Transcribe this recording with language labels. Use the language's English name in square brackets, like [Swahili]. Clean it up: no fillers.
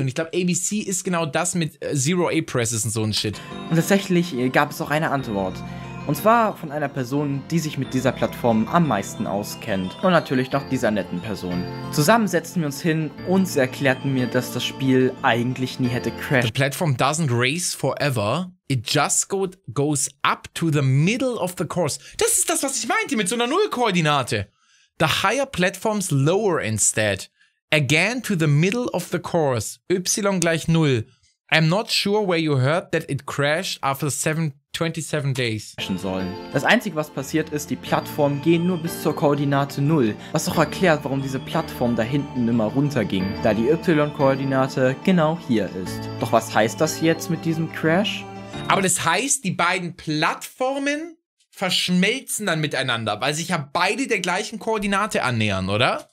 [German] Und ich glaube, ABC ist genau das mit Zero A Presses und so ein Shit. Und tatsächlich gab es auch eine Antwort. Und zwar von einer Person, die sich mit dieser Plattform am meisten auskennt. Und natürlich noch dieser netten Person. Zusammen setzten wir uns hin und sie erklärten mir, dass das Spiel eigentlich nie hätte crashen. [English] The platform doesn't race forever. It just goes up to the middle of the course. [German] Das ist das, was ich meinte mit so einer Nullkoordinate. [English] The higher platforms lower instead. Again to the middle of the course. [German] Y gleich 0. [English] I'm not sure where you heard that it crashed after 27 days. [German] Sollen. Das Einzige, was passiert ist, die Plattformen gehen nur bis zur Koordinate 0, was auch erklärt, warum diese Plattform da hinten immer runterging, da die Y-Koordinate genau hier ist. Doch was heißt das jetzt mit diesem Crash? Aber das heißt, die beiden Plattformen verschmelzen dann miteinander, weil sich ja beide der gleichen Koordinate annähern, oder?